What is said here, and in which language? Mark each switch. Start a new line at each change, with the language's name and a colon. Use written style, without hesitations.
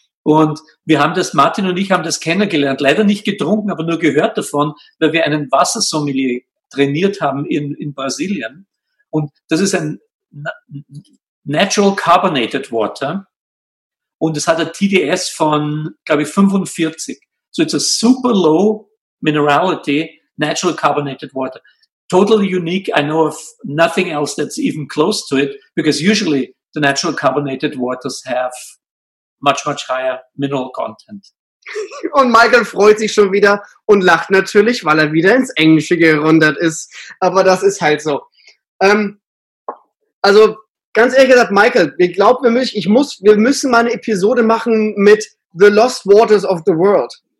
German: Und wir haben das, Martin und ich haben das kennengelernt, leider nicht getrunken, aber nur gehört davon, weil wir einen Wassersommelier trainiert haben in Brasilien. Und das ist ein Natural Carbonated Water. Und es hat ein TDS von, glaube ich, 45.
English: So it's a super low minerality Natural Carbonated Water. Totally unique. I know of nothing else that's even close to it, because usually the Natural Carbonated Waters have much, much higher mineral content.
German: Und Michael freut sich schon wieder und lacht natürlich, weil er wieder ins Englische gerundet ist. Aber das ist halt so. Also, ganz ehrlich gesagt, Michael, wir müssen mal eine Episode machen mit The Lost Waters of the World.